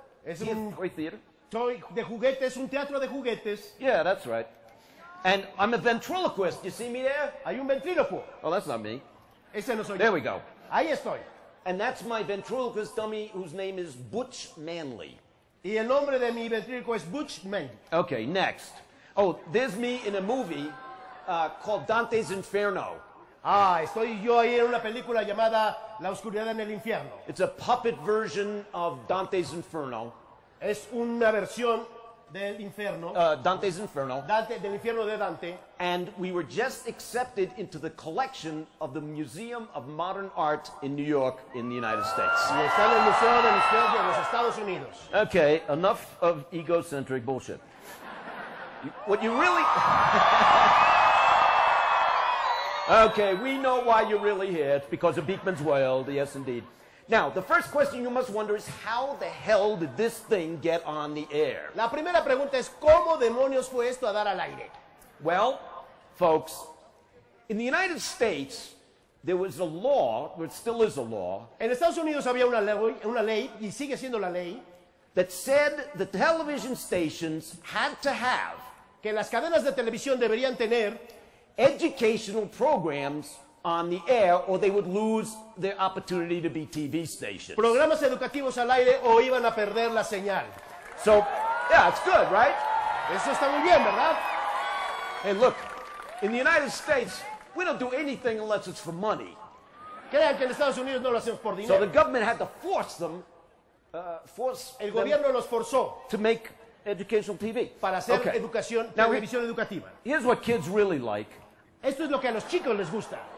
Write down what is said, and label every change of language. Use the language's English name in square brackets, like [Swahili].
[Spanish] Es un [English] toy theater. [Spanish] Toy de juguetes, un teatro de juguetes. [English] Yeah, that's right. And I'm a ventriloquist. You see me there? [Spanish] Hay un ventríloco. [English] Oh, that's not me. [Spanish] Ese no soy [English] there [Spanish] yo. [English] We go. [Spanish] Ahí estoy. [English] And that's my ventriloquist dummy, whose name is Butch Manley. [Spanish] Y el nombre de mi ventriloquo es Butch Manley. [English] Okay, next. Oh, there's me in a movie called Dante's Inferno. [Spanish] Ah, estoy yo ahí en una película llamada La Oscuridad en el Infierno. [English] It's a puppet version of Dante's Inferno. [Spanish] Es una versión del Inferno. [English] Dante's Inferno. [Spanish] Dante, del Infierno de Dante. [English] And we were just accepted into the collection of the Museum of Modern Art in New York in the United States. [Spanish] Y está en el Museo de la Historia en los Estados Unidos. [English] Okay, enough of egocentric bullshit. What you really... Okay, we know why you're really here. It's because of Beakman's World. Yes, indeed. Now, the first question you must wonder is, how the hell did this thing get on the air? [Spanish] La primera pregunta es, ¿cómo demonios fue esto a dar al aire? [English] Well, folks, in the United States, there was a law, or it still is a law. [Spanish] En Estados Unidos había una ley, y sigue siendo la ley. [English] That said the television stations had to have. [Spanish] Que las cadenas de televisión deberían tener. [English] Educational programs on the air, or they would lose their opportunity to be TV stations. [Spanish] Programas educativos al aire o iban a perder la señal. [English] So, yeah, it's good, right? [Spanish] Eso está muy bien, ¿verdad? [English] Hey, look, in the United States, we don't do anything unless it's for money. [Spanish] Crean que en Estados Unidos no lo hacemos por dinero. [English] So the government had to force them. [Spanish] El gobierno los forzó. [English] To make educational TV. [Spanish] Para hacer okay. Educación, [English] now, [Spanish] televisión educativa. [English] Here's what kids really like. [Spanish] Esto es lo que a los chicos les gusta.